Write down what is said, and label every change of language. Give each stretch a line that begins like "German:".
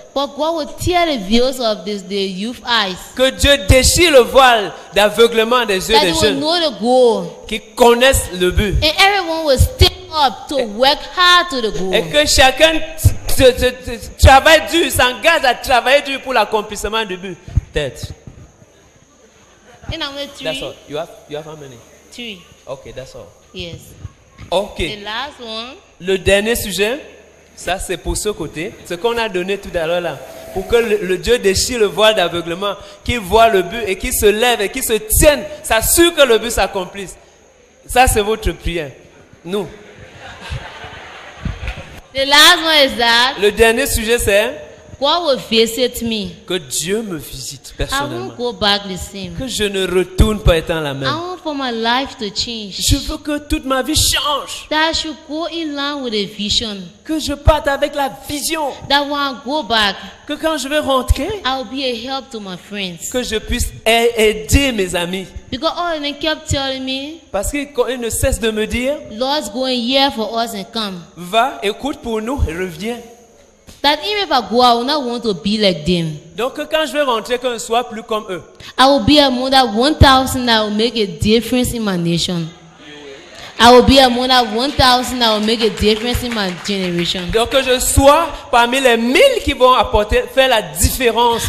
English: But God will tear the veils of this, the youth eyes.
French: Que Dieu déchire le voile d'aveuglement des yeux des jeunes.
English: That they will know the goal.
French: Qu'ils connaissent le but.
English: And everyone will step up to work hard to the goal.
French: Et que chacun travaille dur, s'engage à travailler dur pour l'accomplissement du but. Tête.
English: And I'm with three. That's all. You have how many? Three. Okay, that's all. Yes. Okay. The last one.
French: Le dernier sujet. Ça, c'est pour ce côté. Ce qu'on a donné tout à l'heure là. Pour que le Dieu déchire le voile d'aveuglement. Qu'il voit le but et qu'il se lève et qu'il se tienne. S'assure que le but s'accomplisse. Ça, c'est votre prière. Nous.
English: The last one is that.
French: Le dernier sujet, c'est.
English: God will visit me.
French: Que Dieu me visite personnellement.
English: I won't go back the same.
French: Que je ne retourne pas étant la même.
English: I want for my life to change.
French: Je veux que toute ma vie change.
English: That I should go in line with a vision.
French: Que je parte avec la vision.
English: That when I go back,
French: que quand je vais rentrer,
English: I'll be a help to my friends.
French: Que je puisse aider mes amis.
English: Because all of them kept telling me,
French: parce qu'ils ne cessent de me dire,
English: Lord's going here for us and come.
French: Va, écoute pour nous et reviens.
English: That even if I go, I will not want to be like them.
French: Donc quand je vais rentrer, qu'on ne soit plus comme eux.
English: I will be among that 1,000 that will make a difference in my nation. I will be among that 1,000 that will make a difference in my generation.
French: Donc que je sois parmi les 1,000 qui vont apporter, faire la différence.